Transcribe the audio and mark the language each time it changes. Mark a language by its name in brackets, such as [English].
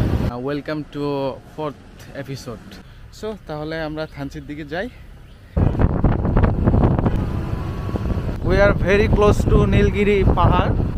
[English] Welcome to fourth episode. [Bangla] So, তাহলে আমরা থানচির দিকে যাই. [English] We are very close to Nilgiri Pahar.